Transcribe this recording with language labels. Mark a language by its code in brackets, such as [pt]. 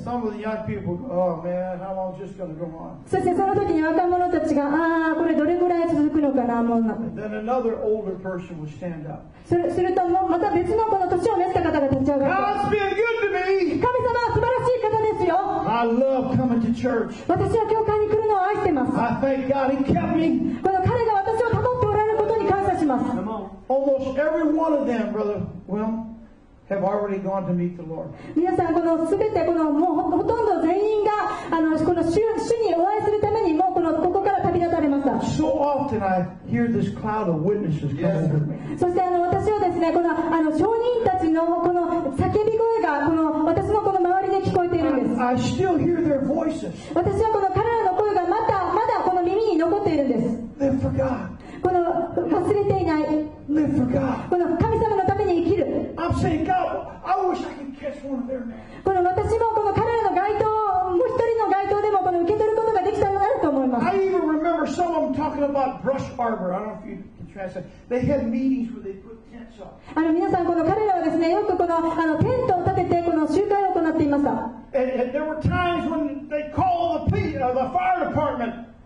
[en] Some of the young people go, oh man, how long is this going to go on? [ja] そしてその時に若者たちが、ああ、これどれぐらい続くのかな、もう。 [en] Then another older person will stand up. [ja] するともうまた別のこの年を召した方が立ち上がる。 [en] God's been good to me. [ja] 神様は素晴らしい方ですよ。 [en] I love coming to church. [ja] 私は教会に来るのを愛してます。 [en] I thank God he kept me. [ja] この彼が私を保っておられることに感謝します。 [en] Almost every one of them, Brother Wilm, have already gone to meet the Lord. [ja] 皆さんこのすべてこのもうほとんど全員がこの主にお会いするためにもうこのここから旅立たれました。 [en] So often I hear this cloud of witnesses come over me. [ja] そして私はですねこの証人たちのこの叫び声がこの私のこの周りで聞こえているんです。 [en] I still hear their voices. [ja] 私はこの彼らの声がまだこの耳に残っているんです。 [en] Live for God. [ja] この忘れていない [en] Live for God. [ja] この神様のために生きる [en] I'm saying, God, I wish I could catch one of their men. [ja] この私もこの彼らの街灯もう一人の街灯でもこの受け取ることができたのだと思います [en] I even remember some of them talking about Brush Harbor. I don't know if you can translate. They had meetings where they put tents up. [ja] 皆さんこの彼らはですねよくこのテントを立ててこの集会を行っていました [en] and there were times when they called the fire department